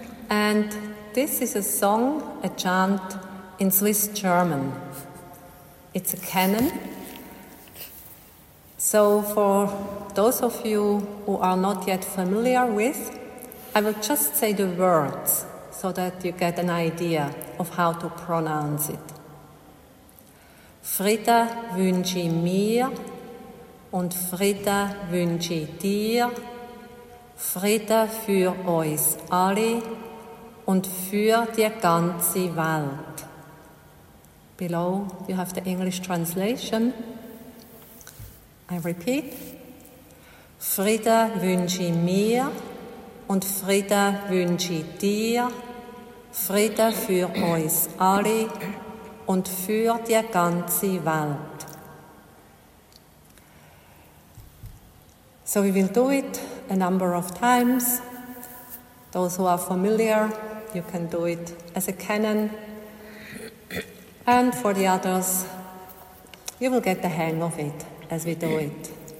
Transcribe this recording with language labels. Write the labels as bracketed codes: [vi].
[en] And this is a song, a chant in Swiss German. It's a canon. So for those of you who are not yet familiar with, I will just say the words so that you get an idea of how to pronounce it. [gsw] Frida wünsche mir und Frida wünsche dir, Frida für uns alle und für die ganze Welt. [en] Below you have the English translation. I repeat. [gsw] Frida wünsche mir und Frida wünsche dir, Frida für uns alle und für die ganze Welt. [en] So we will do it a number of times. Those who are familiar, you can do it as a canon. And for the others, you will get the hang of it as we do it.